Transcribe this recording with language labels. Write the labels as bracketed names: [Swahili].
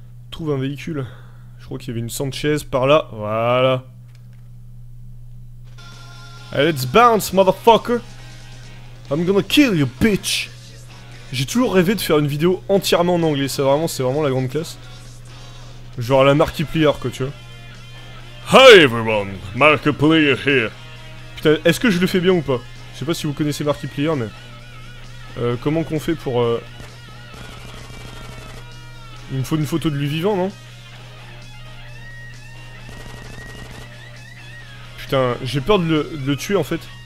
[French] Trouve un véhicule. Je crois qu'il y avait une Sanchez par là. Voilà. [English] Let's bounce, motherfucker! I'm gonna kill you, bitch! [French] J'ai toujours rêvé de faire une vidéo entièrement en anglais. C'est vraiment la grande classe. Genre la Markiplier, quoi, tu vois. [English] Hi everyone, Markiplier here. [French] Putain, est-ce que je le fais bien ou pas? Je sais pas si vous connaissez Markiplier, mais... comment qu'on fait pour... Il me faut une photo de lui vivant, non? Putain, j'ai peur de le tuer, en fait.